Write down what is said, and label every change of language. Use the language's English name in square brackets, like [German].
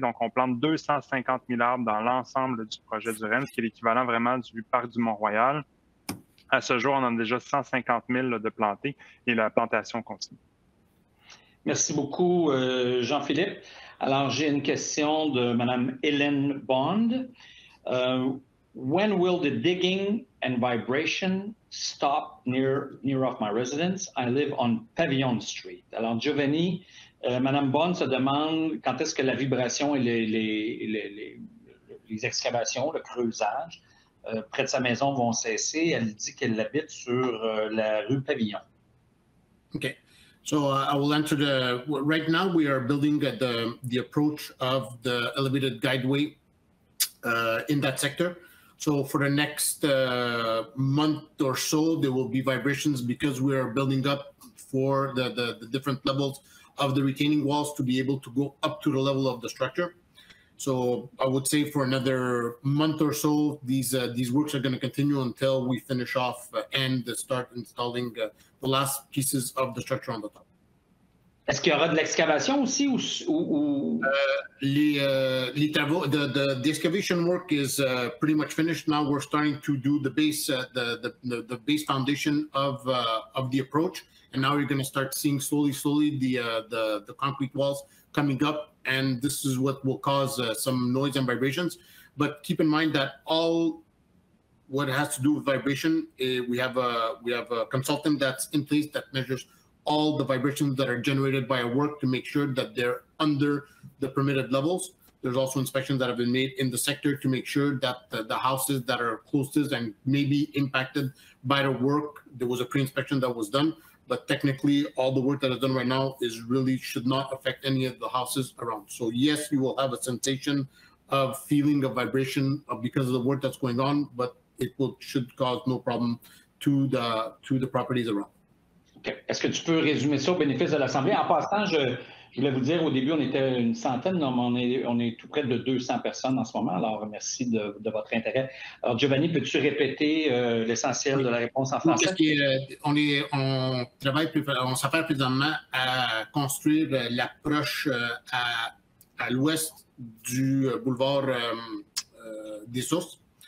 [French] Donc, on plante 250 000 arbres dans l'ensemble du projet du REM, qui est l'équivalent vraiment du parc du Mont-Royal. À ce jour, on en a déjà 150 000 là, de plantés et la plantation continue. Merci beaucoup, Jean-Philippe. Alors, j'ai une question de Madame Hélène Bond. [English] When will the digging and vibration stop near of my residence? I live on Pavillon Street. [French] Alors, Giovanni, Madame Bond se demande quand est-ce que la vibration et les excavations, le creusage près de sa maison vont cesser. Elle dit qu'elle habite sur la rue Pavillon. OK. [English] So I will answer the, right now we are building the approach of the elevated guideway in that sector. So for the next month or so, there will be vibrations because we are building up for the different levels of the retaining walls to be able to go up to the level of the structure. So I would say for another month or so, these works are going to continue until we finish off and start installing the last pieces of the structure on the top. [French] Est-ce qu'il y aura de l'excavation aussi ou... Les travaux, [English] the excavation work is pretty much finished. Now we're starting to do the base, the base foundation of the approach. And now you're going to start seeing slowly the concrete walls coming up. And this is what will cause some noise and vibrations. But keep in mind that all what has to do with vibration, we have a consultant that's in place that measures all the vibrations that are generated by our work to make sure that they're under the permitted levels. There's also inspections that have been made in the sector to make sure that the houses that are closest and maybe impacted by the work, there was a pre-inspection that was done. But technically, all the work that is done right now is really should not affect any of the houses around. So yes, you will have a sensation of feeling of vibration because of the work that's going on, but it will should cause no problem to the properties around. [French] Est-ce que tu peux résumer ça au bénéfice de l'Assemblée? En passant, je voulais vous dire, au début, on était une centaine, mais on est tout près de 200 personnes en ce moment. Alors, merci de votre intérêt. Alors, Giovanni, peux-tu répéter l'essentiel de la réponse en français? Oui, on s'affaire présentement à construire l'approche à l'ouest du boulevard des Sources.